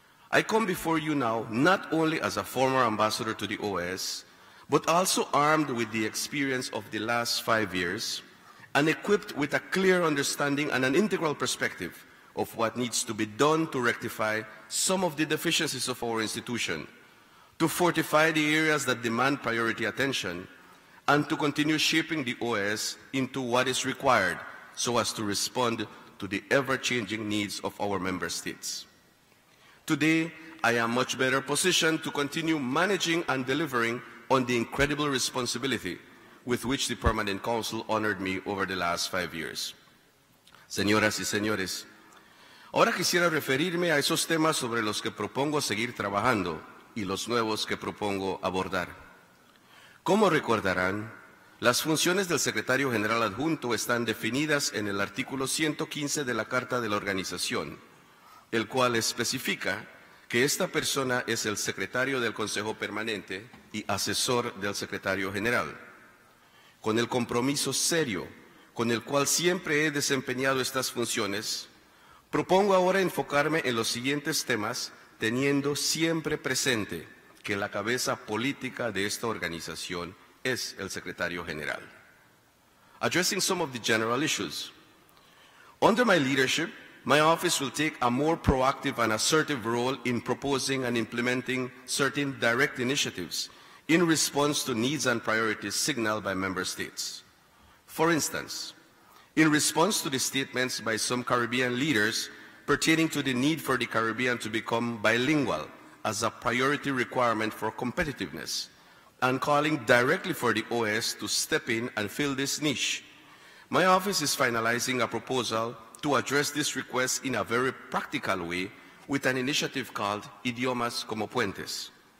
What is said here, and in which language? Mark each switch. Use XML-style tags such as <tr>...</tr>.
<en>I come before you now not only as a former ambassador to the OAS, but also armed with the experience of the last 5 years and equipped with a clear understanding and an integral perspective of what needs to be done to rectify some of the deficiencies of our institution, to fortify the areas that demand priority attention, and to continue shaping the OAS into what is required so as to respond to the ever-changing needs of our member states. Today, I am much better positioned to continue managing and delivering on the incredible responsibility with which the Permanent Council honored me over the last 5 years.</en> <es>Señoras y señores, ahora quisiera referirme a esos temas sobre los que propongo seguir trabajando y los nuevos que propongo abordar. Como recordarán, las funciones del Secretario General Adjunto están definidas en el artículo 115 de la Carta de la Organización, el cual especifica que esta persona es el secretario del Consejo Permanente y asesor del secretario general. Con el compromiso serio con el cual siempre he desempeñado estas funciones, propongo ahora enfocarme en los siguientes temas, teniendo siempre presente que la cabeza política de esta organización es el secretario general.</es> <en>Addressing some of the general issues. Under my leadership, my office will take a more proactive and assertive role in proposing and implementing certain direct initiatives in response to needs and priorities signaled by member states. For instance, in response to the statements by some Caribbean leaders pertaining to the need for the Caribbean to become bilingual as a priority requirement for competitiveness, and calling directly for the OAS to step in and fill this niche, my office is finalizing a proposal to address this request in a very practical way with an initiative called Idiomas como Puentes.</en>